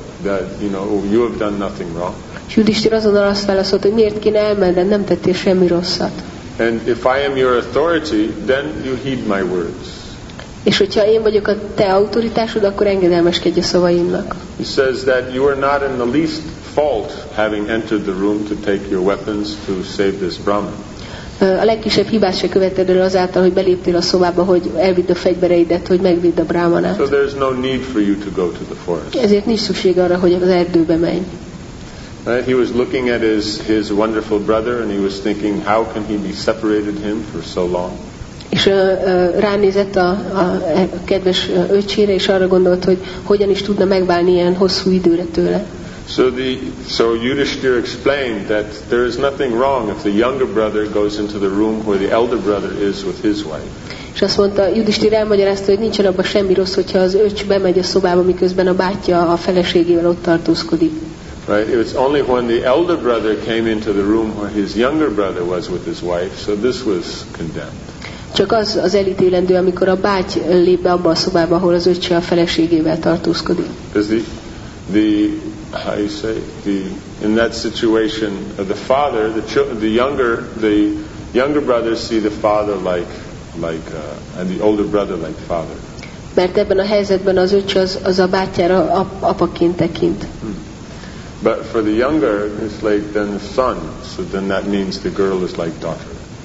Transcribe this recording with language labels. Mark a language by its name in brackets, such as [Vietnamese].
[English] That you know you have done nothing wrong. [Hungarian] Yudhishthira azonnal azt válaszolta, hogy miért kéne elmenned, nem tettél semmi rosszat. [English] And if I am your authority, then you heed my words. [Hungarian] És hogyha én vagyok a te autoritásod, akkor engedelmeskedj a szavaimnak. [English] He says that you are not in the least fault having entered the room to take your weapons to save this brahman. [Hungarian] A legkisebb hibát se követted el azáltal, hogy beléptél a szobába, hogy elvidd a fegyvereidet, hogy megvidd a brámanát. [English] So there's no need for you to go to the forest. [Hungarian] Ezért nincs szükség arra, hogy az erdőbe menj. [English] He was looking at his wonderful brother, and he was thinking, how can he be separated him for so long? [Hungarian] És ránézett a kedves öcsére, és arra gondolt, hogy hogyan is tudna megválni ilyen hosszú időre tőle. [English] So Yudhishthira explained that there is nothing wrong if the younger brother goes into the room where the elder brother is with his wife. [Hungarian] És azt mondta, Yudhishthira elmagyarázta, hogy nincsen abban semmi rossz, hogyha az öcs bemegy a szobába, miközben a bátyja a feleségével ott tartózkodik. [English] Right, it was only when the elder brother came into the room where his younger brother was with his wife, so this was condemned. [Hungarian] Csak az elítélendő, amikor a báty lép be abba a szobába, ahol az öcse a feleségével tartózkodik. [English] In that situation, the father, the younger brothers see the father and the older brother like father. [Hungarian] Mert ebben a helyzetben az öcse az a bátyára apaként tekint. [English] But for the younger, it's like then the son. So then that means the girl is like daughter.